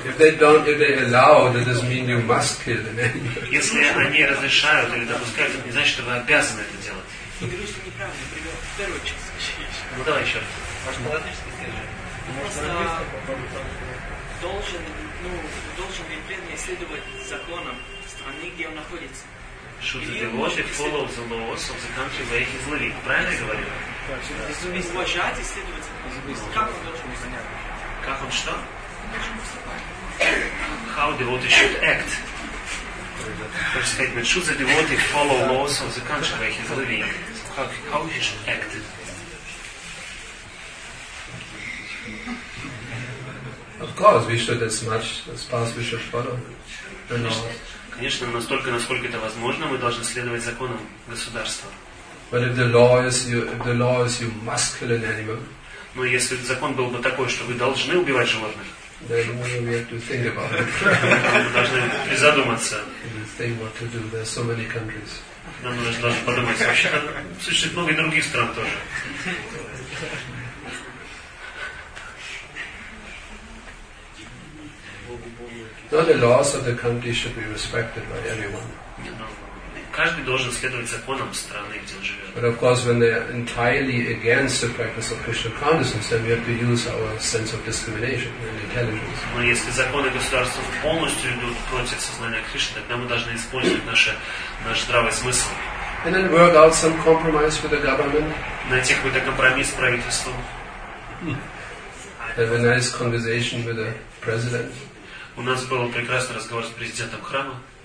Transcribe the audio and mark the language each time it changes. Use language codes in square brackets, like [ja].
[en] If they allow, that doesn't mean you must kill an animal. [ru] Если они разрешают или допускают, это не значит, что вы обязаны это делать. Ну давай еще. Должен ли преданный следовать законам страны, где он находится? [en] Should the devotee follow the laws of the country where he is living? [ru] Правильно я говорю? Да. Уважать и следовать законам. Как он должен понять? Как он что? [en] How devotee should act? First statement. Should the devotee follow laws of the country where he is living? How he should act? Of course, we should as much as possible should follow. [ru] Конечно, настолько, насколько это возможно, мы должны следовать законам государства. [en] But if the law is you must kill an animal. [ru] Но если закон был бы такой, что вы должны убивать животных. [en] Then we have to think about it. [ru] Мы должны призадуматься. [en] Think what to do. There are so many countries. [ru] Нам нужно подумать вообще. Существует много других стран тоже. [en] Not the laws of the country should be respected by everyone. [ru] Каждый должен следовать законам страны, где он живет. [en] But of course, when they are entirely against the practice of Krishna consciousness, then we have to use our sense of discrimination and intelligence. [ru] Но если законы государства полностью идут против сознания Кришны, тогда мы должны использовать наш здравый смысл. [en] And then work out some compromise with the government. [ru] Найти какой-то компромисс с правительством. [en] Have a nice conversation with the president. [ru] У нас был прекрасный разговор с президентом храма.